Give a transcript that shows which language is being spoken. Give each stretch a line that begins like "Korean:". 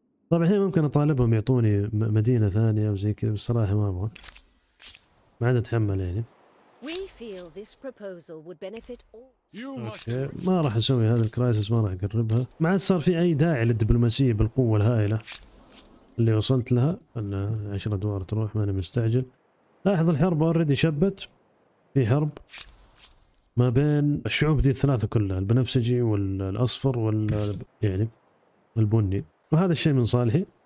Arabic: طبعا هي ممكن اطالبهم يعطوني مدينة ثانية وزي كذا، بس صراحة ما ابغى، ما عاد اتحمل يعني.
English: We feel this proposal would benefit all.
Arabic: اوكي ما راح اسوي هذا الكرايسس، ما راح اقربها، ما عاد صار في اي داعي للدبلوماسيه بالقوه الهائله اللي وصلت لها. ان 10 ادوار تروح، ماني مستعجل. لاحظ الحرب اوريدي شبت، في حرب ما بين الشعوب دي الثلاثه كلها، البنفسجي والاصفر وال يعني البني، وهذا الشيء من صالحي.